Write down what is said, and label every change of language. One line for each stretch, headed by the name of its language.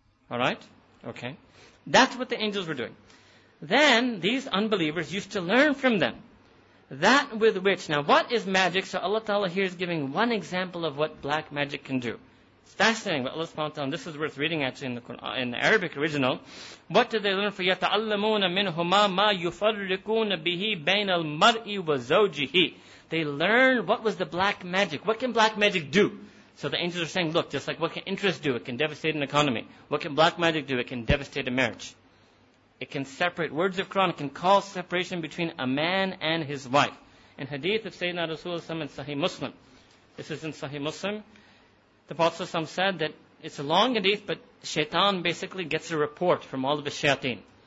English: All right? Okay. That's what the angels were doing. Then these unbelievers used to learn from them. That with which... Now, what is magic? So Allah Ta'ala here is giving one example of what black magic can do. It's fascinating. But Allah Subhanahu wa Ta'ala, this is worth reading actually in the Quran, in the Arabic original. What did they learn? For
Arabic: يَتَعَلَّمُونَ مِنْهُمَا مَا يُفَرِّقُونَ بِهِ بَيْنَ الْمَرْءِ وَزَوْجِهِ.
English: They learned what was the black magic. What can black magic do? So the angels are saying, look, just like what can interest do? It can devastate an economy. What can black magic do? It can devastate a marriage. It can separate. Words of Quran can cause separation between a man and his wife. In hadith of Sayyidina Rasulullah in Sahih Muslim, this is in Sahih Muslim, the Prophet said that it's a long hadith, but shaitan basically gets a report from all of his shayateen.